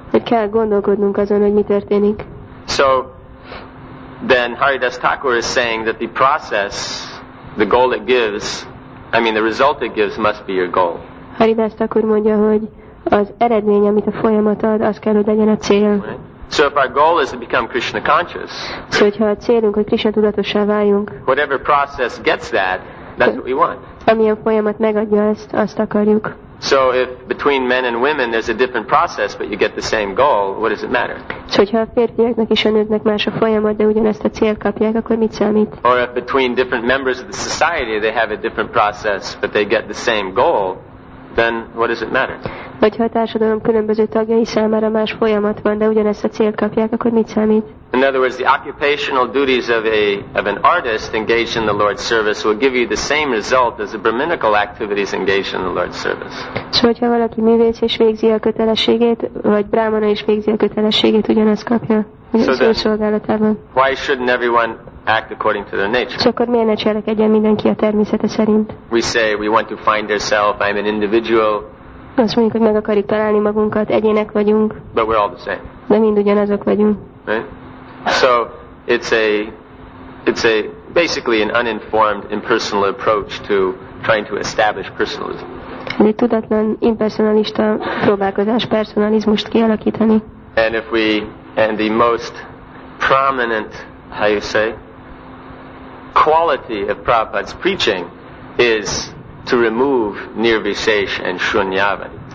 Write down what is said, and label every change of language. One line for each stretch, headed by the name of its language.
Hungarian: Hogy kell gondolkodnunk azon, hogy mi történik.
English: So then Haridas Thakur is saying that the process, the goal it gives, I mean the result it gives must be your goal.
Hungarian: Haridas Thakur mondja, hogy az eredmény, amit a folyamat ad, az kell, hogy legyen a cél.
English: Right. So if our goal is to become Krishna conscious,
Hungarian: so, hogyha a célunk, hogy Krishna tudatossá váljunk,
English: whatever process gets that, that's what we want.
Hungarian: Amilyen folyamat megadja, ezt azt akarjuk.
English: So if between men and women there's a different process, but you get the same goal, what does it matter?
Hungarian: So, hogyha a férfiaknak és a nőknek más a folyamat, de ugyanezt a célt kapják, akkor mit számít?
English: Or if between different members of the society they have a different process, but they get the same goal, then what does it matter?
Hungarian: Hogyha a társadalom különböző tagjai számára más folyamat van, de ugyanezt a célt kapják, akkor mit számít?
English: In other words, the occupational duties of an artist engaged in the Lord's service will give you the same result as the brahminical activities engaged in the Lord's service.
Hungarian: So, hogyha valaki művész és végzi a kötelességét, vagy brámana is végzi a kötelességét, ugyanezt kapja a szolgálatában.
English: Why shouldn't everyone act according to their nature?
Hungarian: So, akkor miért ne cselekedjen mindenki a természete szerint?
English: We say we want to find ourselves. I'm an individual.
Hungarian: Azt mondjuk, hogy meg akarjuk találni magunkat, egyének vagyunk.
English: But we're all the same.
Hungarian: De mind ugyanazok vagyunk.
English: Right? So it's a basically an uninformed, impersonal approach to trying to establish personalism.
Hungarian: De tudatlan, impersonalista próbálkozás personalizmust kialakítani.
English: And if we and the most prominent, how you say, quality of Prabhupada's preaching is to remove nirvishesh and shunyavadi.